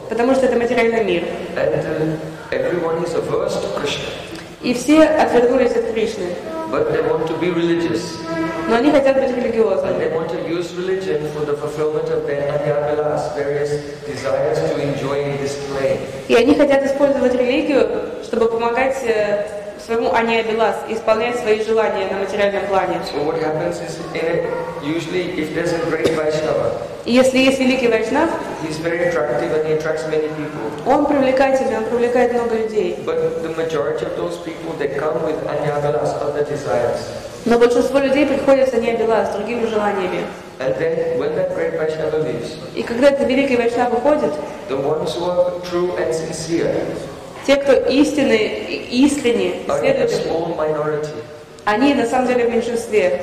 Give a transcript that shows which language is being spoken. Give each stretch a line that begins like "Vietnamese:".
Russian: Потому что это материальный мир.
English: And everyone is averse to Krishna.
Russian: И все отвернулись от Кришны.
English: But they want to be religious.
Russian: Но они хотят быть религиозными.
English: They want to use religion for the fulfillment of their anyabilas, various desires to enjoy this plane.
Russian: И они хотят использовать религию, чтобы помогать своему анеабилас, исполнять свои желания на материальном плане.
English: So what happens is, usually, if there's a great Vaishnava,
Russian: если есть великий Вайшнав,
English: he's very attractive and he attracts many people.
Russian: Он привлекательный, он привлекает много людей.
English: But the majority of those people, they come with anyabilas, other desires.
Russian: Но большинство людей приходят с анеабилас, с другими желаниями.
English: And then, when that great Vaishnava leaves,
Russian: и когда этот великий Вайшнав уходит,
English: the ones who are true and sincere,
Russian: те, кто искренне следует, они на самом деле в меньшинстве.